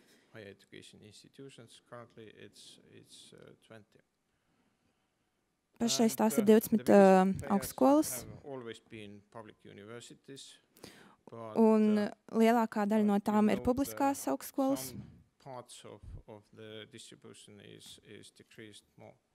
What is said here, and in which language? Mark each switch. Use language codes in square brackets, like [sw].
[en] Higher education institutions currently it's 20. [lv] Pašreiz tās ir 20 augstskolas. [en] Always been public universities. [lv] Un lielākā daļa no tām ir publiskās augstskolas. [en] Parts of the distribution is decreased more.